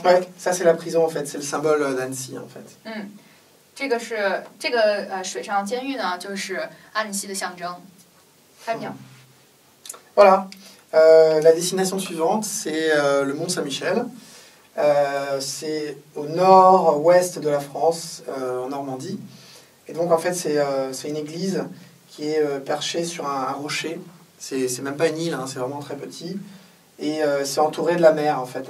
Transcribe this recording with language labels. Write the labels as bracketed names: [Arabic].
[French] Ouais, ça c'est la prison en fait, c'est le symbole d'Annecy en fait. [Chinese] 嗯，这个是这个水上监狱呢，就是安西的象征，太妙。 [French] Voilà, la destination suivante c'est le Mont Saint-Michel. C'est au nord-ouest de la France, en Normandie. Et donc, en fait, c'est une église qui est perchée sur un rocher. C'est même pas une île, hein, c'est vraiment très petit. Et c'est entouré de la mer, en fait.